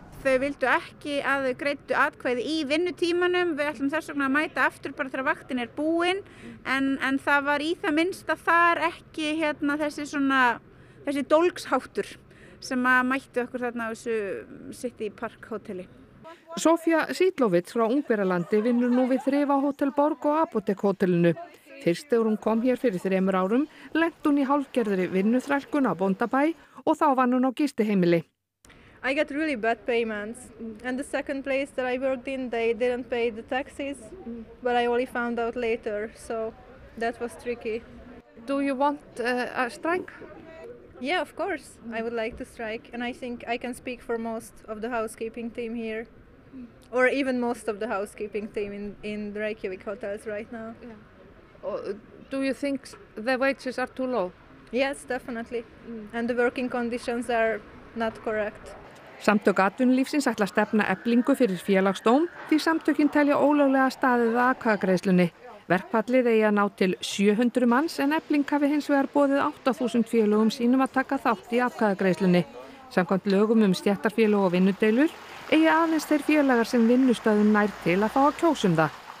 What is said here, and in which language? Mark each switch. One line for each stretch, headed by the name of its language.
Icelandic: Þau vildu ekki að þau greiddu atkvæði í vinnutímanum, við ætlum þess vegna að mæta aftur bara þegar vaktin búin en það var í það minnsta þar ekki hérna þessi dólgsháttur sem að mættu okkur þarna á þessu City Park hóteli. Sofía Sýdlovits frá Ungverjalandi vinnur nú við Þrifa Hótel Borg og Apotek hótelinu. Fyrst þegar hún kom hér fyrir 3 árum, lenti hún í hálfgerðri vinnuþrælkun á bóndabæ og þá vann hún á gistiheimili.
English: I got really bad payments and the second place that I worked in, they didn't pay the taxes, but I only found out later, so that was tricky. Do you want a strike? Yeah, of course, I would like to strike and I think I can speak for most of the housekeeping team here or even most of the housekeeping team in the Reykjavík hotels right now. Yeah. Do you think the wages are too low? Yes, definitely. And the working conditions are not correct.
Icelandic: Samtök atvinnulífsins ætla stefna Eflingu fyrir félagsdóm því samtökin telja ólöglega staðið að atkvæðagreiðslunni. Verkfallið eigi að ná til 700 manns en Efling hafi hins vegar boðið 8000 félögum sínum að taka þátt í atkvæðagreiðslunni. Samkvæmt lögum stéttarfélög og vinnudeilur eigi aðeins þeir félagar sem vinnustöðun nær til að fá að kjósa það.